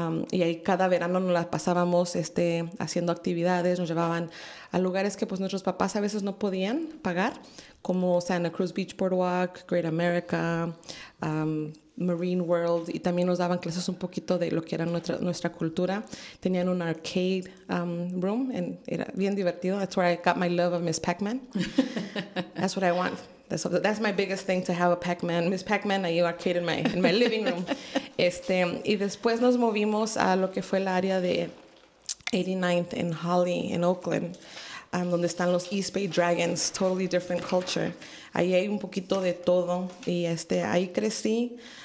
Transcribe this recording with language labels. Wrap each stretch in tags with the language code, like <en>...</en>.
<es>Y ahí cada verano nos la pasábamos haciendo actividades, nos llevaban a lugares que pues nuestros papás a veces no podían pagar, como Santa Cruz Beach Boardwalk, Great America, Marine World, y también nos daban clases un poquito de lo que era nuestra cultura. Tenían un arcade room, and era bien divertido.</es> <en>That's where I got my love of Miss Pac-Man. That's what I want. That's my biggest thing, to have a Pac-Man. Miss Pac-Man, ahí arcade in my living room.</en> <es>Y después nos movimos a lo que fue el área de 89th in Holly, in Oakland, donde están los East Bay Dragons,</es> <en>totally different culture.</en> <es>Ahí hay un poquito de todo. Y ahí crecí.</es>